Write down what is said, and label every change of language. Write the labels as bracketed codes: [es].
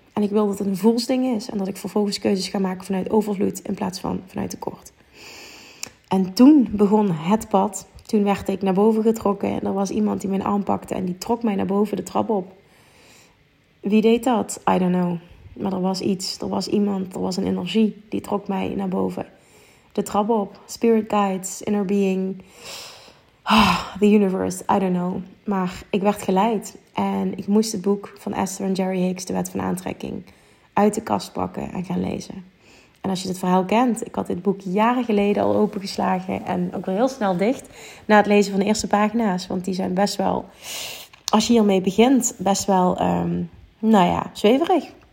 [nl] En ik wil dat het een voelsding is en dat ik vervolgens keuzes ga maken vanuit overvloed in plaats van vanuit tekort. En toen begon het pad. Toen werd ik naar boven getrokken en er was iemand die mijn arm pakte en die trok mij naar boven de trap op. Wie deed dat? [en] I don't know. [nl] Maar er was iets, er was iemand, er was een energie die trok mij naar boven. De trap op, [en] spirit guides, inner being, the universe, I don't know. [nl] Maar ik werd geleid en ik moest het boek van Esther en Jerry Hicks, De Wet van Aantrekking, uit de kast pakken en gaan lezen. En als je dit verhaal kent, ik had dit boek jaren geleden al opengeslagen en ook weer heel snel dicht na het lezen van de eerste pagina's. Want die zijn best wel, als je hiermee begint, best wel, zweverig.